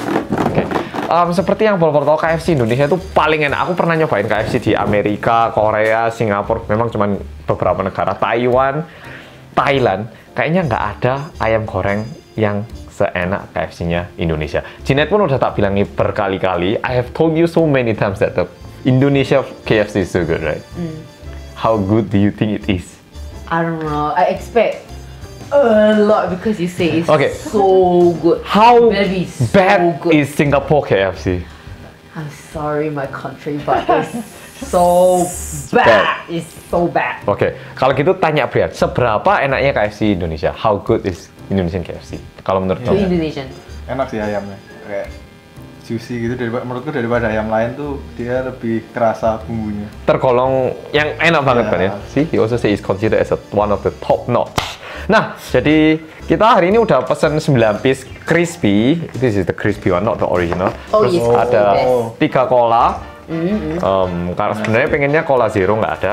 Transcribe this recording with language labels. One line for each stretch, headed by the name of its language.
Indonesian: Oke. Seperti yang Volvo tahu, KFC Indonesia itu paling enak. Aku pernah nyobain KFC di Amerika, Korea, Singapura, memang cuma beberapa negara. Taiwan, Thailand. Kayaknya nggak ada ayam goreng yang seenak KFC-nya Indonesia. Jeanette pun udah tak bilangin berkali-kali.
English: I have told you so many times that the Indonesia KFC is so good, right? Mm. How good do you think it is? I don't know. I expect a lot because you say it's okay. So good. How so bad good. Is Singapore KFC? I'm sorry, my country, but it's so bad. So bad.
Indonesian: Oke, okay. Kalau gitu tanya Brian, seberapa enaknya KFC Indonesia?
English: How good is Indonesian KFC? Kalau menurut kamu? Indonesian.
Indonesian: Enak sih ayamnya, kayak juicy gitu. Menurutku daripada ayam lain tuh dia lebih kerasa bumbunya. Tergolong yang enak banget, yeah. Kan ya?
English: See, he also say it's considered as a one of the top notch. Nah, jadi kita hari ini udah pesen 9 piece crispy. This is the crispy one, not the original.
Indonesian: Oh, terus yes. Ada 3 cola. Karena sebenarnya pengennya cola zero nggak ada.